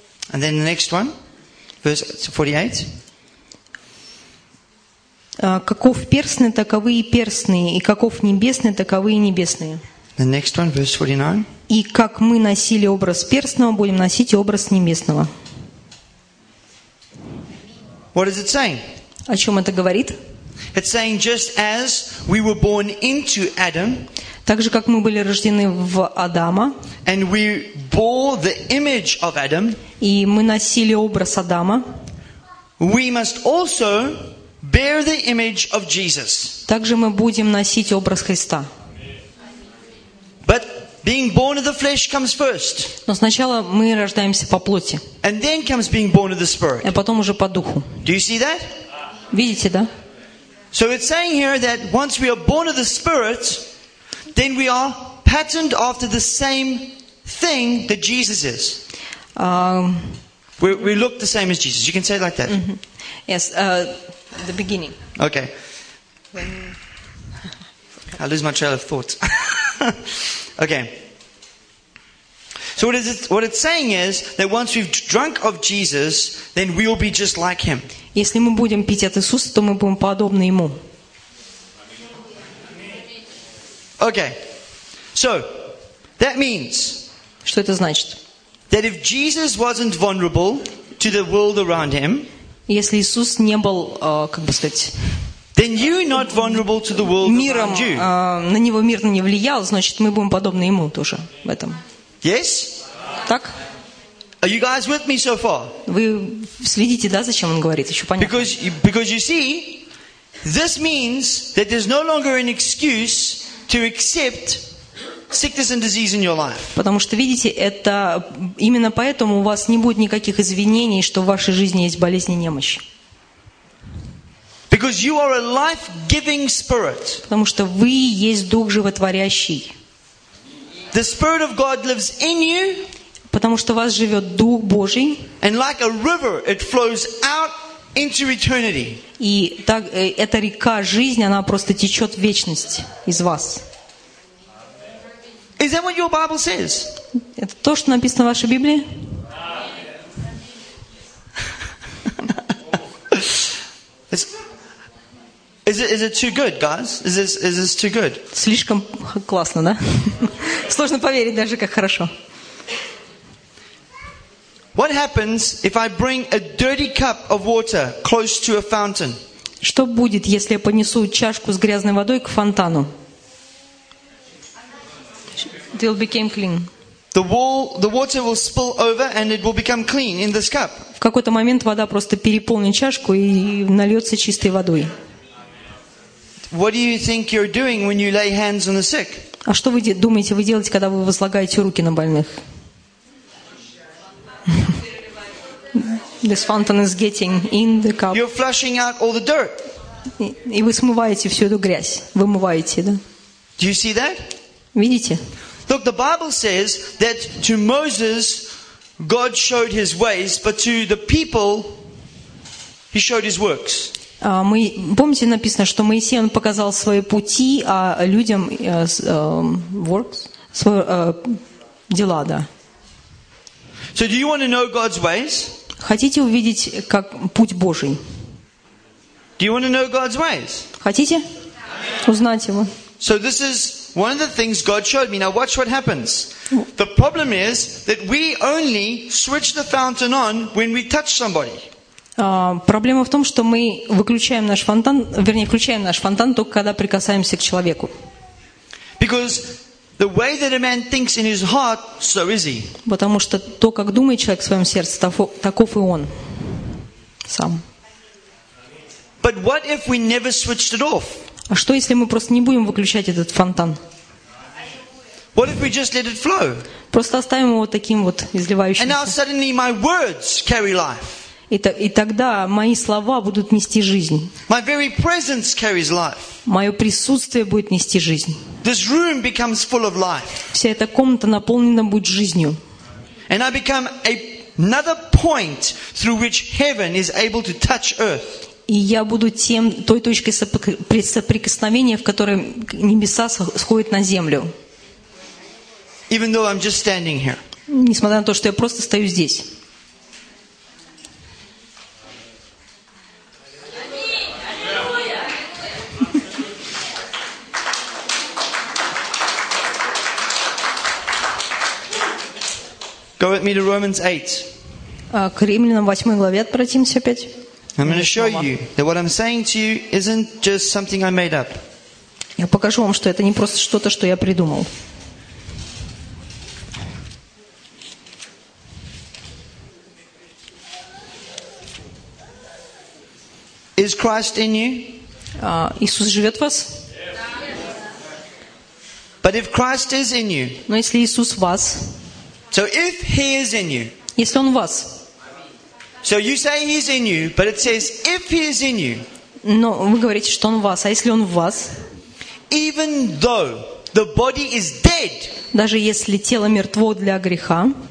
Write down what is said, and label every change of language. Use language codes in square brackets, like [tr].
[en] And then the next one, verse 48. [ru] Каков перстный, таковы и перстные, и каков небесный, таковы и небесные. [en] The next one, verse 49. [ru] И как мы носили образ перстного, будем носить и образ небесного. [en] What is it saying? [ru] О чем это говорит? [en] It's saying just as we were born into Adam, [ru] так же как мы были рождены в Адама, [en] and we bore the image of Adam, [ru] и мы носили образ Адама, [en] we must also bear the image of Jesus. [ru] Также мы будем носить образ Христа. [en] But being born of the flesh comes first. [ru] Но сначала мы рождаемся по плоти. [en] And then comes being born of the spirit. [ru] А потом уже по духу. [en] Do you see that? [ru] Видите, да? [en] So it's saying here that once we are born of the spirit, then we are patterned after the same thing that Jesus is. We look the same as Jesus. You can say it like that. Mm-hmm. Yes, the beginning. Okay. I lose my trail of thought. Okay. So what it's saying is that once we've drunk of Jesus, then we will be just like him. [ru] Если мы будем пить от Иисуса, то мы будем подобны ему. [en] Okay. So that means. [ru] Что это значит? [en] That if Jesus wasn't vulnerable to the world around him. [ru] Если Иисус не был, как бы сказать. [en] Then you're not vulnerable to the world around you. [ru] На него мир не влиял, значит, мы будем подобны ему тоже в этом. [en] Yes? [ru] так? [en] Are you guys with me so far? [ru] Вы следите, да, зачем он говорит? Еще понятно. [en] Because you see, this means that there's no longer an excuse to accept sickness and disease in your life. [ru] Потому что видите, это именно поэтому у вас не будет никаких извинений, что в вашей жизни есть болезни и немощь. [en] Because you are a life-giving spirit. [ru] Потому что вы есть дух животворящий. [en] The Spirit of God lives in you. [ru] Потому что у вас живет Дух Божий. [en] And like a river, it flows out into eternity. [ru] И так эта река жизни, она просто течет в вечность из вас. [en] Is that what your Bible says? [ru] Это то, что написано в вашей Библии? [en] Is it too good, guys? Is this too good? [ru] Слишком классно, да? Сложно поверить даже, как хорошо. [en] What happens if I bring a dirty cup of water close to a fountain? [ru] Что будет, если я поднесу чашку с грязной водой к фонтану? [en] It will become clean. The water will spill over and it will become clean in this cup. [ru] В какой-то момент вода просто переполнит чашку и нальется чистой водой. [en] What do you think you're doing when you lay hands on the sick? [ru] А что вы думаете, вы делаете, когда вы возлагаете руки на больных? [en] This fountain is getting in the cup. You're flushing out all the dirt. [ru] И вы смываете всю эту грязь, вымываете, да? [en] Do you see that? [ru] Видите? [en] Look, the Bible says that to Moses God showed His ways, but to the people He showed His works. [ru] Мы помните, написано, что Моисей он показал свои пути, а людям works, свои дела, да. [en] So do you want to know God's ways? [ru] Хотите увидеть, как путь Божий? [en] Do you want to know God's ways? [ru] Хотите узнать его? [en] So this is one of the things God showed me. Now watch what happens. The problem is that we only switch the fountain on when we touch somebody. [ru] Проблема в том, что мы выключаем наш фонтан, вернее, включаем наш фонтан только когда прикасаемся к человеку. [en] Because the way that a man thinks in his heart, so is he. [ru] Потому что то, как думает человек в своем сердце, таков и он сам. [en] But what if we never switched it off? [ru] А что, если мы просто не будем выключать этот фонтан? [en] What if we just let it flow? [ru] Просто оставим его таким вот изливающимся. [en] And now suddenly my words carry life. [ru] И тогда мои слова будут нести жизнь. [en] My very presence carries life. [ru] Мое присутствие будет нести жизнь. [en] This room becomes full of life. [ru] Вся эта комната наполнена будет жизнью. [en] And I become another point through which heaven is able to touch earth. [ru] И я буду тем, той точкой соприкосновения, в которой небеса сходят на землю. [en] Even though I'm just standing here. [ru] Несмотря на то, что я просто стою здесь. [en] Go with me to Romans 8. [ru] К Римлянам 8 главе обратимся опять. [en] I'm going to show you that what I'm saying to you isn't just something I made up. [ru] Я покажу вам, что это не просто что-то, что я придумал. [en] Is Christ in you? [ru] Иисус живет в вас? [en] But if Christ is in you. [ru] Но если Иисус в вас. [en] So if He is in you. [ru] Если Он в вас. [en] So you say he's in you, but it says if he is in you. [ru] Но вы говорите, что он в вас, а если он в вас? [en] Even though the body is dead. [ru] Даже если тело мертво для греха.